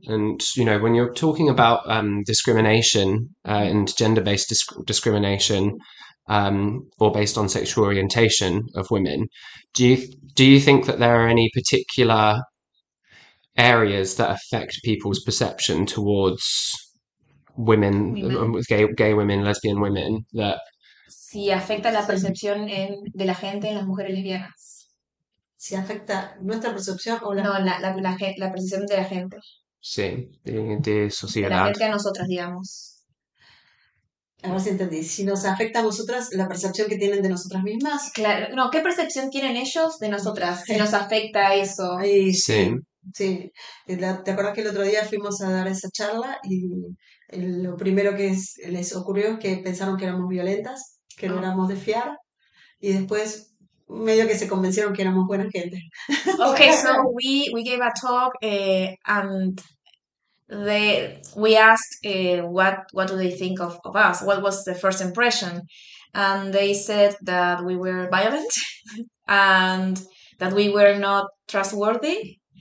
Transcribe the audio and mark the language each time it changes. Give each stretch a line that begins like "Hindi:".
English: And, you know, when you're talking about discrimination and gender-based discrimination, or based on sexual orientation of women, do you think that there are any particular areas that affect people's perception towards women. Gay women, lesbian women, that
Spanish: sí, afecta la percepción de la gente en las mujeres lesbianas. si afecta nuestra percepción o la... No, la percepción de la gente. Sí, de sociedad. La gente a nosotros, digamos. A ver si entendí. Si nos afecta a nosotras, la percepción que tienen de nosotras mismas. Claro, no, ¿qué percepción tienen ellos de nosotras? Si nos afecta a eso. Ay, sí. Sí. ¿Te acuerdas que el otro día fuimos a dar esa charla y lo primero que les ocurrió es que pensaron que éramos violentas, que no éramos de fiar, y después medio que se convencieron que éramos buena gente?
English: Okay, so we gave a talk and we asked what do they think of us? What was the first impression? And they said that we were violent and that we were not trustworthy.